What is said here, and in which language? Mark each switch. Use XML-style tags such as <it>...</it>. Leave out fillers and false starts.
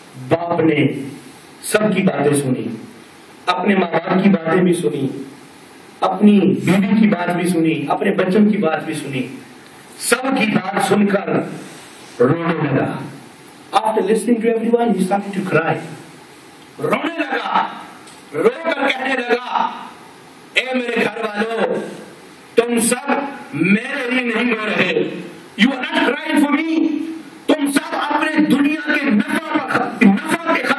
<hi>बाप ने सबकी बातें सुनी, अपने माँ बाप की बातें भी सुनी, अपनी बीवी की बात भी सुनी, अपने बच्चों की बात भी सुनी, सबकी बात सुनकर रोने लगा।</hi> <en>After listening to everyone, he started to cry.</en> <hi>रोने लगा, रोकर कहने लगा, ए मेरे घर वालों, तुम सब मेरे लिए नहीं रो रहे,</hi> <en>you are not crying for me,</en> <hi>तुम सब अपने दुनिया के नफा पर, नफा के</hi>